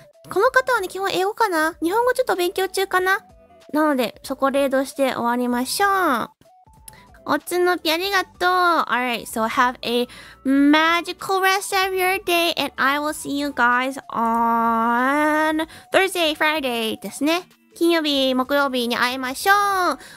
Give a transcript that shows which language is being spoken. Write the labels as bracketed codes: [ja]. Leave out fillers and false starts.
[ja] この方はね、基本英語かな？日本語ちょっと勉強中かな？なので、そこレイドして終わりましょう。おつのぴありがとう。 [en] Alright, so have a magical rest of your day and I will see you guys on Thursday, Friday [ja] ですね。金曜日、木曜日に会いましょう。